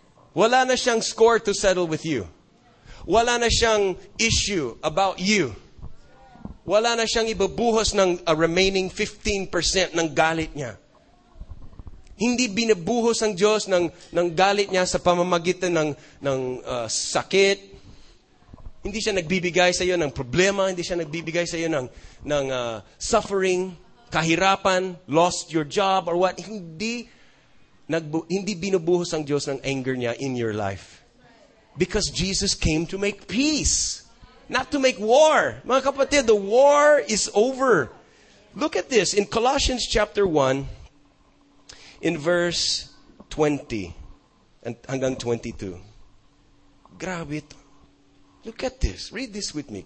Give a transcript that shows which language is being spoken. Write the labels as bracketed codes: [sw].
[tl] Wala na siyang [en] score to settle with you. [tl] Wala na siyang issue about you. Wala na siyang ibubuhos ng remaining 15% ng galit niya. Hindi binubuhos ang Diyos ng galit niya sa pamamagitan ng sakit. Hindi siya nagbibigay sa iyo ng problema. Hindi siya nagbibigay sa iyo ng suffering, kahirapan, [en] lost your job, or what. [tl] Hindi hindi binubuhos ang Diyos ng anger niya [en] in your life. Because Jesus came to make peace, not to make war. [tl] Mga kapatid, [en] the war is over. Look at this. In Colossians chapter 1, in verse 20 and hanggang 22. Grab it. Look at this. Read this with me.